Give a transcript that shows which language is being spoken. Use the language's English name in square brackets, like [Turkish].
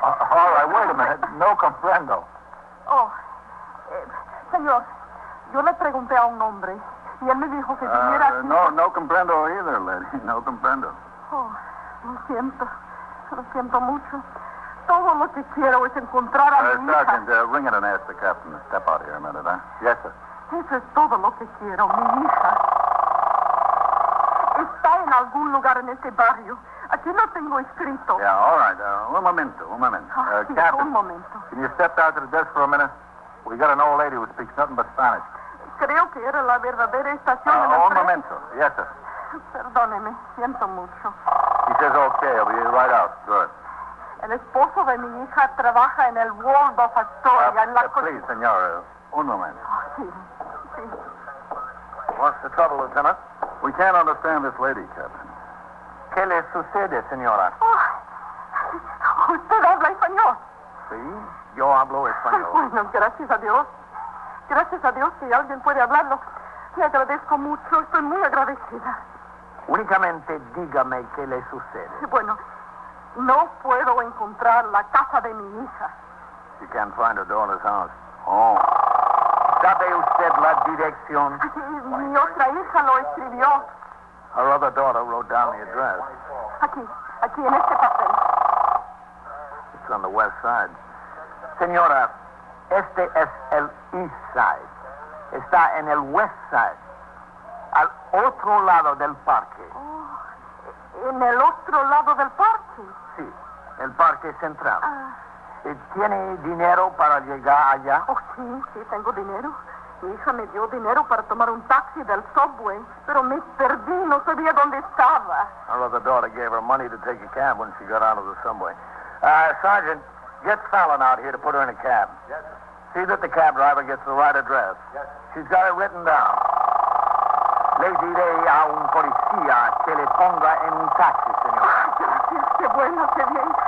[English] All right, wait a minute. [Spanish] No comprendo. Oh, señor, yo le pregunté a un hombre, y él me dijo que viniera aquí. No comprendo [English] either, lady. [Spanish] No comprendo. Oh, lo siento. Lo siento mucho. Todo lo que quiero es encontrar a mi hija. [English] Sergeant, ring it and ask the captain to step out here a minute, huh? Yes, sir. [Spanish] Eso es todo lo que quiero, mi hija. Está en algún lugar en este barrio. Aquí no tengo escrito. [English] Yeah, all right. [Spanish] Un momento. Captain, un momento. [English] Can you step out to the desk for a minute? We got an old lady who speaks nothing but Spanish. [Spanish] Creo que era la verdadera estación. Un momento. [English] Yes, sir. [Spanish] Perdóneme. Siento mucho. [English] He says, okay, I'll be right out. Good. [Spanish] El esposo de mi hija trabaja en el Waldo Factoria. [English] Please, [Spanish] senor, un momento. Oh, sí. [English] What's the trouble, Lieutenant? We can't understand this lady, Captain. [Spanish] ¿Qué le sucede, señora? Oh, usted habla español. Sí, yo hablo español. Bueno, gracias a Dios. Gracias a Dios que alguien puede hablarlo. Le agradezco mucho, estoy muy agradecida. Únicamente dígame qué le sucede. Bueno, no puedo encontrar la casa de mi hija. [English] You can't find her daughter's house. Oh. [Spanish] ¿Sabe usted la dirección? Mi otra hija lo escribió. [English] Her other daughter wrote down the address. [Spanish] Aquí en este papel. [English] It's on the west side. [Spanish] Señora, este es el [English] east side. [Spanish] Está en el west side. Al otro lado del parque. Oh, en el otro lado del parque? Sí, el parque central. ¿Tiene dinero para llegar allá? Oh, sí, sí, tengo dinero. Mi hija me dio dinero para tomar un taxi del subway, pero me perdí, no sabía dónde estaba. [English] Her other daughter gave her money to take a cab when she got out of the subway. Sergeant, get Fallon out here to put her in a cab. Yes, sir. See that the cab driver gets the right address. Yes, sir. She's got it written down. [Spanish] Le diré a un policía que le ponga en un taxi, señor. Ay, gracias, qué bueno, qué bien.